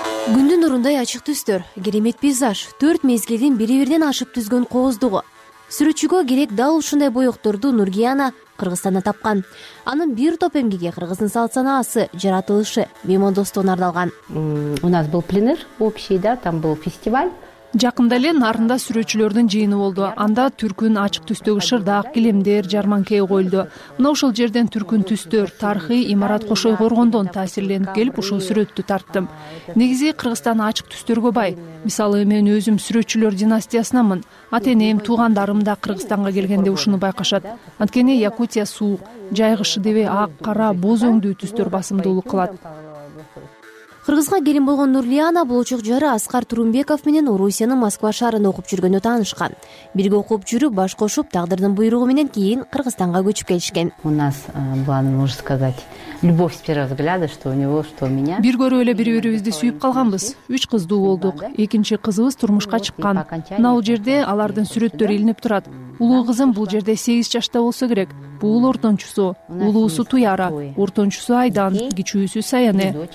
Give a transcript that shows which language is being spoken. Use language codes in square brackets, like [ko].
[ky] Күндүн нурундай ачык түстөр, керемет пейзаж, төрт мезгилдин бири бирден ашып түзгөн кооздугу. Сүрөтчүгө керек дал ушундай боекторду Нургияна Кыргызстанда тапкан. Анын бир топ эмгеги кыргыздын салт-санаасы, жаратылышы, меймандостоуна арналган. [ru] У нас был пленэр общий, да, там был фестиваль. [ky] Жакында эле нарында сүрөтчүлөрдүн жыйыны болду. Анда түркүн ачык түстөгү шырдак, килемдер, жарманке коюлду. Мына ошол жерден түркүн түстөр, тарыхый имарат кошой коргондон таасирленип келип, ушул сүрөттү тарттым. Негизи Кыргызстан ачык түстөргө бай. Мисалы, мен өзүм сүрөтчүлөр династиясынанмын. Ата-энем, туугандарым да Кыргызстанга келгенде ушуну байкашат. Анткени Якутия суук, жай кышы деби ак, кара, боз өңдүү түстөр басымдуулук кылат. Кыргызга келин болгон Нурлияна болочок жары Аскар Турумбеков менен Орусиянын Москва шаарында окуп жүргөндө таанышкан. Бирге окуп жүрүп, баш кошуп, тагдырдын буйругу менен кийин Кыргызстанга көчүп келишкен. [ru] У нас была, можно сказать, любовь с первого взгляда, что у него, что у меня. [ky] Бир көрүп эле бири-бирибизди сүйүп калганбыз. Үч кыздуу болдук. Экинчи кызыбыз турмушка чыккан. Мына ал жерде алардын сүрөттөрү илинип турат. Улуу кызым бул жерде 8 жашта болсо керек. Бул ортончусу, улуусу Туяра, ортончусу Айдан, кичүүсү Саяне.